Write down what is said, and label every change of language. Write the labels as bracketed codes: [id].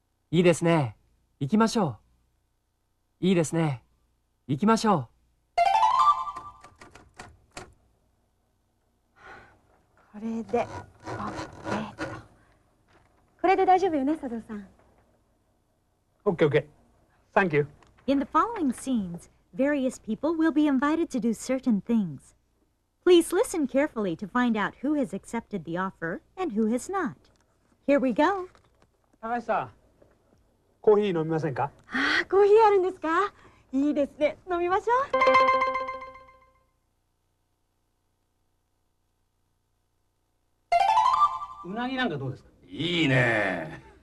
[ja] いいですね。行きましょう。いいですね。行きましょう。これで、これで大丈夫よね、佐藤さん。 [en] OK, OK. Thank you. In the following scenes, various people will be invited to do certain things. Please listen carefully to find out who has accepted the offer and who has not. Here we go. [ja] 高橋さん、コーヒー飲みませんか？ああ、コーヒーあるんですか？いいですね。飲みましょう。うなぎなんかどうですか？いいね。